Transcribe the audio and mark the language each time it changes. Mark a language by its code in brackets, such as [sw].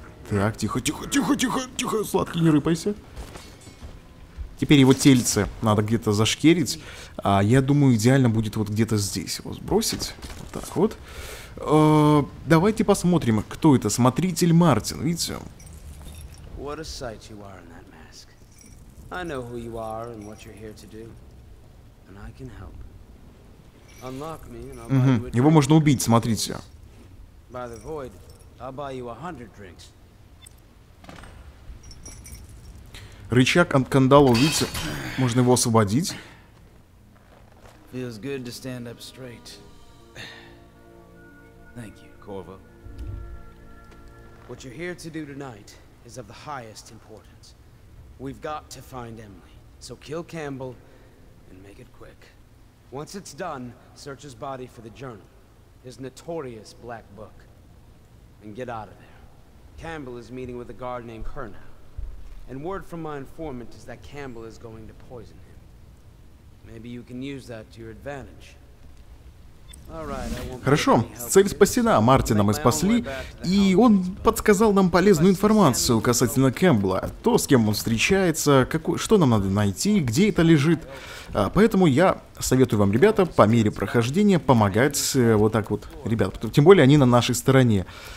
[ru] Так, тихо, сладкий, не рыпайся. Теперь его тельце надо где-то зашкерить. А я думаю, идеально будет вот где-то здесь его сбросить. Вот так вот. Давайте посмотрим, кто это. Смотритель Мартин, видите? [en] What a sight you are in that mask. I know who you are and what you're here to do. And I can help. Unlock me and I'll buy you a drink. [ru] Его можно убить, смотрите. [en] By the void, I'll buy you 100 drinks. [ru] Рычаг от кандала, видите, можно его освободить. [en] Feels good to stand up straight. Thank you, Corvo. What you're here to do tonight is of the highest importance. We've got to find Emily. So kill Campbell and make it quick. Once it's done, search his body for the journal, his notorious black book, and get out of there. Campbell is meeting with a guard named Kernow. And word from my informant is that Campbell is going to poison him. Maybe you can use that to your advantage. All right, I won't. [ru] Хорошо, цель спасена, Мартина мы спасли, и он подсказал нам полезную информацию касательно Кэмпбелла, то, с кем он встречается, что нам надо найти, где это лежит. Поэтому я советую вам, ребята, по мере прохождения помогать вот так вот, ребят, тем более они на нашей стороне.